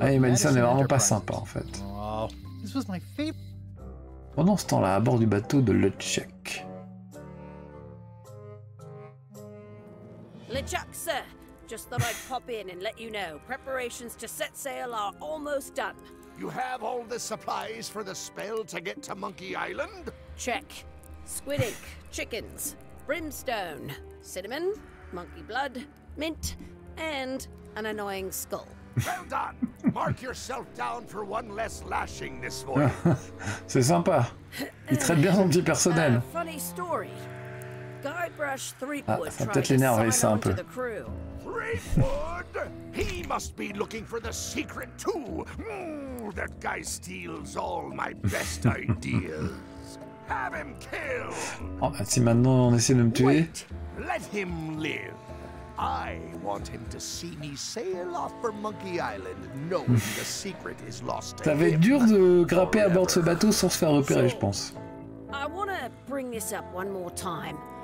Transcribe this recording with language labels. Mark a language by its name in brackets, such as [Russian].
[French] Ah, Madison n'est vraiment pas sympa en fait. [English] Oh, this was my [French] pendant ce temps-là, à bord du bateau de Luchuk. [English] Luchuk, sir. Just thought I'd pop in and let you know. Preparations to set sail are almost done. You have all the supplies for the spell to get to Monkey Island? Check. Squid ink, chickens, brimstone, cinnamon, monkey blood, mint, and an annoying skull. Well done! Mark yourself down for one less lashing this voyage. [French] C'est sympa. Il traite bien son petit personnel. [English] Funny story. Guybrush Threepwood ah, tried to sign on to the crew. Threepwood? He must be looking for the secret too. That guy steals all my best ideas. Have him killed. [French] Oh, si maintenant on essaie de me tuer. [English] Wait. Let him live. I want him to see me sail off for Monkey Island, knowing the secret is lost. [French] Ça va être dur de grimper à bord de ce bateau sans se faire repérer, je pense. [English] I want to bring this up one more time.